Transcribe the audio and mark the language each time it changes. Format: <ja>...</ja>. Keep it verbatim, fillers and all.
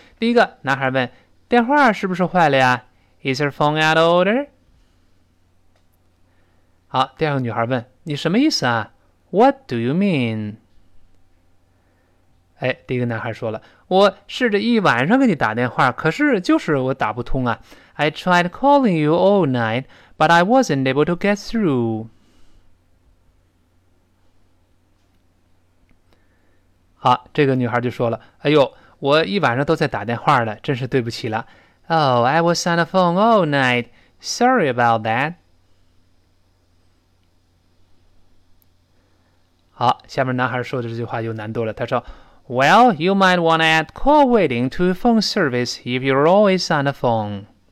<zh>第一个，男孩问电话是不是坏了呀</zh> <en>Is your phone out of order？</en> <zh>好，第二个女孩问你什么意思啊 ？</zh> <en>What do you mean？</en> <zh>哎，第一个男孩说了，我试着一晚上给你打电话，可是就是我打不通啊。</zh> <en>I tried calling you all night, but I wasn't able to get through.</en> <zh>好，这个女孩就说了，哎呦，我一晚上都在打电话了，真是对不起了。</zh> <en>Oh, I was on the phone all night. Sorry about that.</en> <zh>好，下面男孩说的这句话有难度了，他说</zh> <en>Well, you might want to add call waiting to phone service if you're always on the phone.</en>